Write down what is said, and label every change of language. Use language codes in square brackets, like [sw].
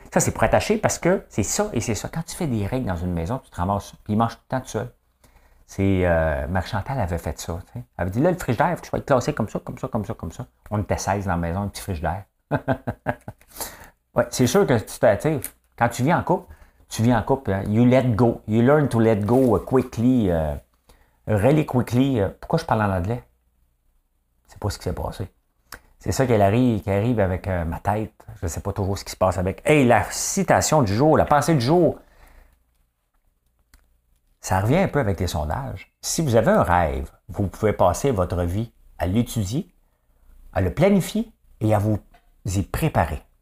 [fr] Ça, c'est pour attacher parce que c'est ça et c'est ça. Quand tu fais des règles dans une maison, tu te ramasses, puis il mange tout le temps tout seul. C'est Marie-Chantal avait fait ça. T'sais. Elle avait dit, là, le frigidaire, tu vas être classé comme ça, comme ça, comme ça, comme ça. On était 16 dans la maison, un petit frigidaire. Ouais, c'est sûr que tu t'attires. Quand tu vis en couple, tu vis en couple. Hein? [en] You let go. You learn to let go quickly. Really quickly. [fr] Pourquoi je parle en anglais? C'est pas ce qui s'est passé. C'est ça qu'elle arrive avec ma tête. Je ne sais pas toujours ce qui se passe avec. Hey, la citation du jour, la pensée du jour. Ça revient un peu avec les sondages. Si vous avez un rêve, vous pouvez passer votre vie à l'étudier, à le planifier et à vous y préparer.